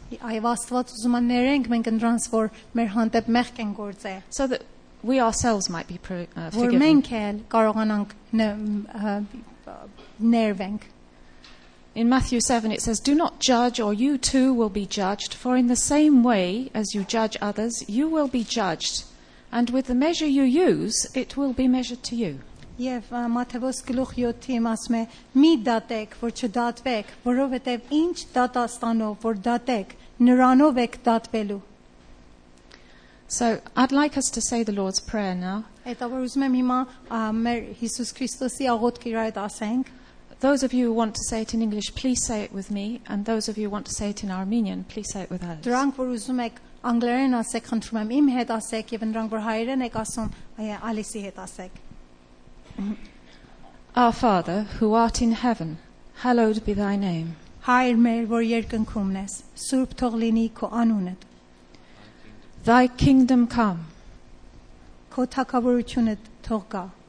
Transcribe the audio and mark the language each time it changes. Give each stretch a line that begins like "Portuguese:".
English: So that we ourselves might be forgiven. In Matthew 7 it says, do not judge or you too will be judged, for in the same way as you judge others, you will be judged. And with the measure you use, it will be measured to you.
Armenian: Եվ Մատթեոս գլուխ 7-ի ասում է, մի դատեք, որ չդատվեք, որովհետև ինչ դատաստանով, որ դատեք, նրանով եք դատվելու.
English: So I'd like us to say the Lord's Prayer now.
Armenian: Եթե ուզում եմ հիմա մեր Հիսուս Քրիստոսի աղոթքը իրայդ ասենք.
English: Those of you who want to say it in English, please say it with me. And those of you who want to say it in Armenian, please say it with us.
Armenian: Դրանք, որ ուզում եք անգլերեն ասեք, խնդրում եմ իմ հետ ասեք, և դրանք, որ հայերեն եք ասում, Ալիսի հետ ասեք.
English: Our Father, who art in heaven, hallowed be thy name.
Armenian: Հայր մեր, որ երկնքում ես, սուրբ թող լինի քո անունդ.
English: Thy kingdom come.
Armenian: Քո թագավորությունը թող գա.